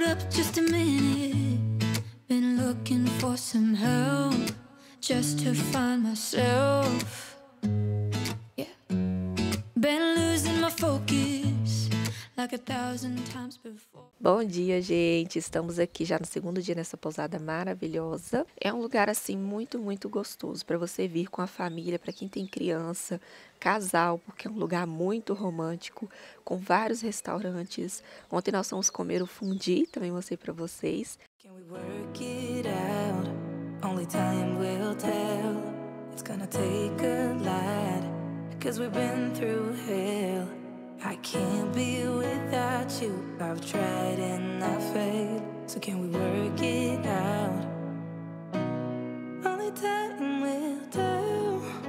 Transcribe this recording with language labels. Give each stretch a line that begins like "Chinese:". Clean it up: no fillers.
English: Just a minute, been looking for some help, just to find myself, yeah, been losing my focus, like a thousand times before.
Portuguese: Bom dia, gente! Estamos aqui já no segundo dia nessa pousada maravilhosa. É um lugar, assim, muito, muito gostoso para você vir com a família, para quem tem criança, casal, porque é um lugar muito romântico, com vários restaurantes. Ontem nós fomos comer o fundi, também mostrei para vocês.
English: Can we work it out? Only time will tell. It's gonna take a lot, cause we've been through hell. I can't be without you. I've tried and I failed. So can we work it out? Only time will tell.